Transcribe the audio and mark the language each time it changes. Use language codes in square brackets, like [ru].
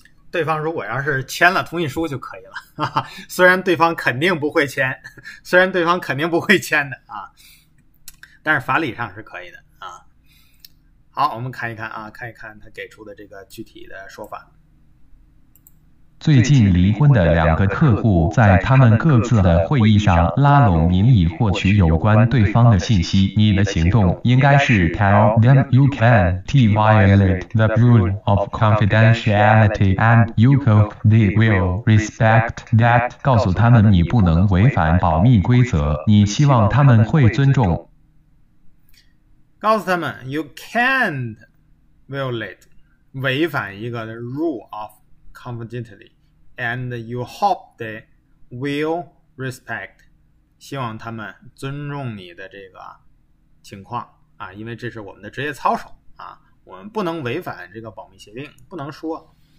[zh] 对方如果要是签了同意书就可以了，哈哈，虽然对方肯定不会签，虽然对方肯定不会签的啊，但是法理上是可以的啊。好，我们看一看啊，看一看他给出的这个具体的说法。最近离婚的两个客户在他们各自的会议上拉拢你，以获取有关对方的信息。你的行动应该是 [en] tell them you can't violate the rule of confidentiality and you hope they will respect that。 [zh] 告诉他们你不能违反保密规则，你希望他们会尊重。告诉他们， [en] you can't violate， [zh] 违反一个 [en] rule of confidentiality， and you hope they will respect， [zh] 希望他们尊重你的这个情况啊，因为这是我们的职业操守啊，我们不能违反这个保密协定，不能说。